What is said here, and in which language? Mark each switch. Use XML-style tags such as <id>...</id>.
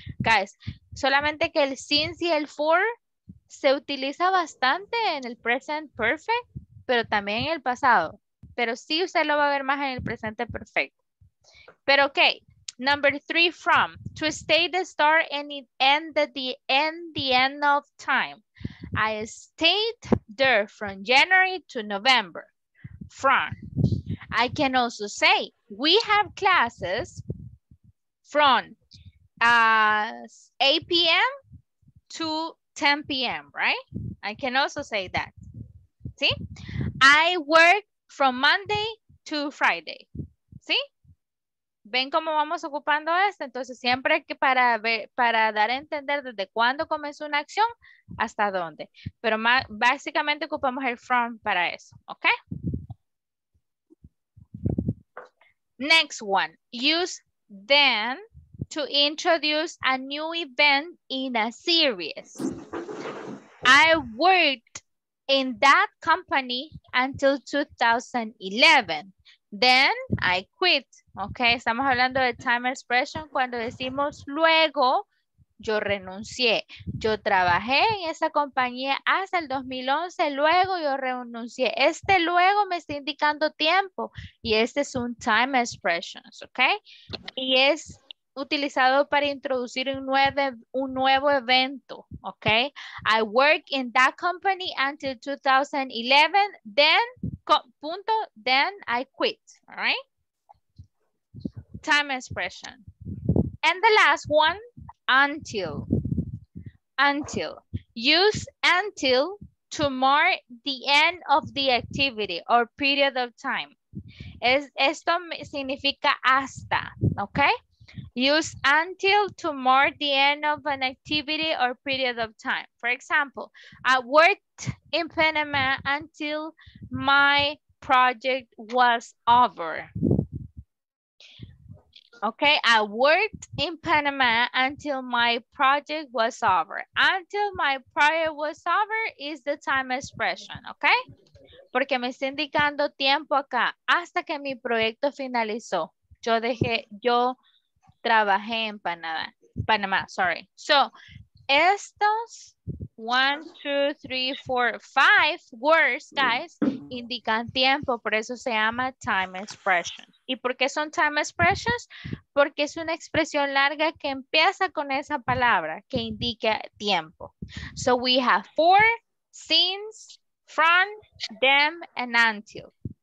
<es>Guys, solamente que el since y el for se utiliza bastante en el present perfect, pero también en el pasado. Pero sí usted lo va a ver más en el presente perfecto.</es> <en>Pero ok, number three from, to stay the start and it ended the end of time. I stayed there from January to November, from. I can also say, we have classes from 8 p.m. to 10 p.m., right? I can also say that, see? I work from Monday to Friday, see?</en> <es>¿Ven cómo vamos ocupando esto? Entonces, siempre que para dar a entender desde cuándo comenzó una acción, hasta dónde. Pero más, básicamente ocupamos el from para eso, ¿ok?</es> <en>Next one. Use then to introduce a new event in a series. I worked in that company until 2011. Then I quit.</en> <es>Ok, estamos hablando de time expression cuando decimos luego yo renuncié. Yo trabajé en esa compañía hasta el 2011, luego yo renuncié. Este luego me está indicando tiempo y este es un time expression. Ok, y es utilizado para introducir un nuevo evento.</es> <en>Ok, I worked in that company until 2011, then I quit. All right. Time expression. And the last one, until. Until. Use until to mark the end of the activity or period of time.</en> <es>Esto significa hasta, okay?</es> <en>Use until to mark the end of an activity or period of time. For example, I worked in Panama until my project was over. Okay, I worked in Panama until my project was over. Until my project was over is the time expression, okay?</en> <es>Porque me está indicando tiempo acá, hasta que mi proyecto finalizó. Yo trabajé en Panamá, sorry. So, estos 1, 2, 3, 4, 5 words, guys, indican tiempo, por eso se llama time expression. ¿Y por qué son time expressions? Porque es una expresión larga que empieza con esa palabra que indica tiempo.</es> <en>So we have for, since, from, them, and until.</en>